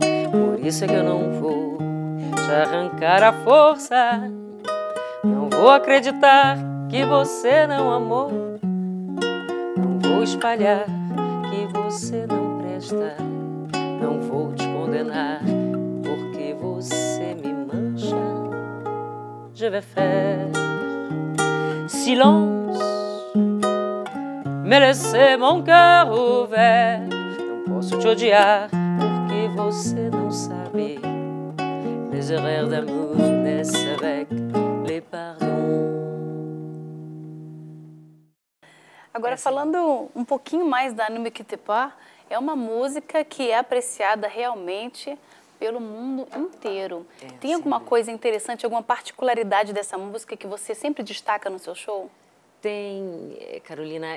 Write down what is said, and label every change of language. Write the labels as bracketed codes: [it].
[pt] Por isso é que eu não vou te arrancar a força. Não vou acreditar que você não amou. Não vou espalhar que você não presta. Não vou te condenar porque você me mancha. [fr] Je vais faire silence, me laisser mon cœur ouvert. [pt] Não posso te odiar porque você não sabe. [fr] Les erreurs d'amour naissent avec les pardons. [pt] Agora, falando um pouquinho mais da Ne me quitte pas, é uma música que é apreciada realmente pelo mundo inteiro. Tem alguma coisa interessante, alguma particularidade dessa música que você sempre destaca no seu show? Tem, Carolina.